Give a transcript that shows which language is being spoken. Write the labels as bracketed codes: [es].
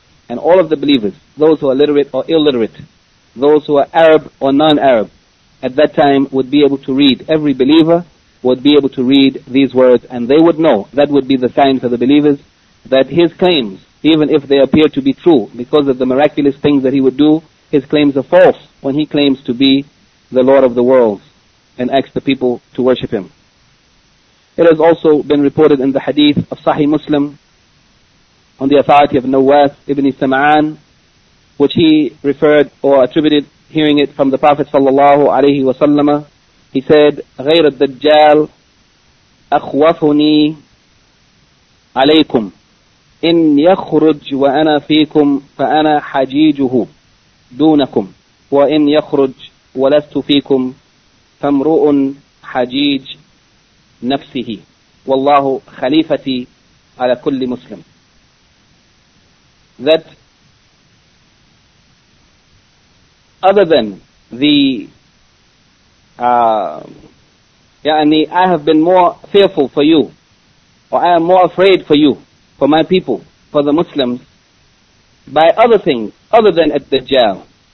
[en] And all of the believers, those who are literate or illiterate, those who are Arab or non-Arab, at that time would be able to read, every believer would be able to read these words, and they would know, that would be the sign for the believers, that his claims, even if they appear to be true because of the miraculous things that he would do, his claims are false when he claims to be the Lord of the worlds and asks the people to worship him. It has also been reported in the hadith of Sahih Muslim on the authority of Nawas ibn Sama'an, which he referred or attributed hearing it from the Prophet sallallahu alayhi wa sallam. He said, [ar] غير الدجال أخوفني عليكم إن يخرج وأنا فيكم فأنا حجيجه دونكم وإن يخرج ولست فيكم فامرؤ حجيج نفسه والله خليفتي على كل مسلم. [en] That other than the I have been more fearful for you, or I am more afraid for you, for my people, for the Muslims, by other things, other than at Dajjal.